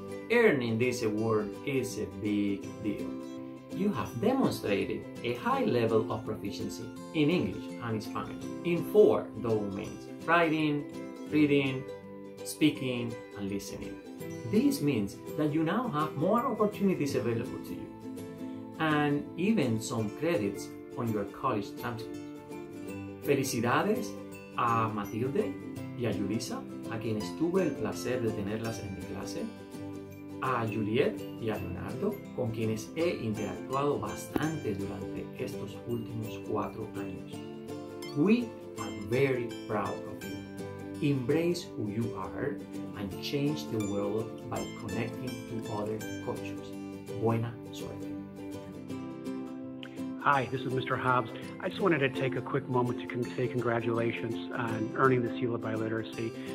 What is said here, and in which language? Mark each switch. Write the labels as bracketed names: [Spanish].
[English] Earning this award is a big deal. You have demonstrated a high level of proficiency in English and Spanish in 4 domains: writing, reading, speaking, and listening. This means that you now have more opportunities available to you, and even some credits on your college transcript. [Spanish] Felicidades a Matilde y a Julissa, a quienes tuve el placer de tenerlas en mi clase, a Juliet y a Leonardo, con quienes he interactuado bastante durante estos últimos 4 años. [English] We are very proud of you. Embrace who you are and change the world by connecting to other cultures. [Spanish] Buena suerte. [English] Hi, this is Mr. Hobbs. I just wanted to take a quick moment to say congratulations on earning the Seal of Biliteracy.